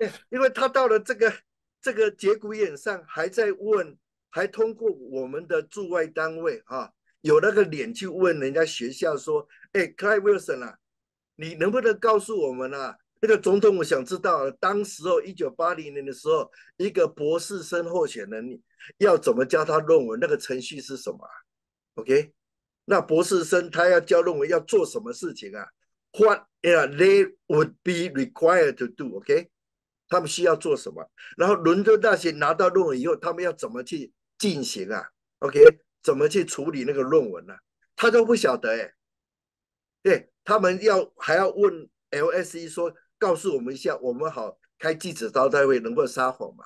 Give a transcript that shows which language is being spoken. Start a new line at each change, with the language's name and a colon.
Chinese: 因为他到了这个节骨眼上，还在问，还通过我们的驻外单位啊，有那个脸去问人家学校说，哎，Clive Wilson 啊，你能不能告诉我们啊？那个总统，我想知道，当时候1980年的时候，一个博士生候选人要怎么交他论文？那个程序是什么？OK，那博士生他要交论文要做什么事情啊？
English: What they would be required to do, OK？
Chinese: 他们需要做什么？然后伦敦大学拿到论文以后，他们要怎么去进行啊？OK？怎么去处理那个论文呢、啊？他都不晓得哎。对，他们还要问 LSE 说，告诉我们一下，我们好开记者招待会，能够撒谎嘛？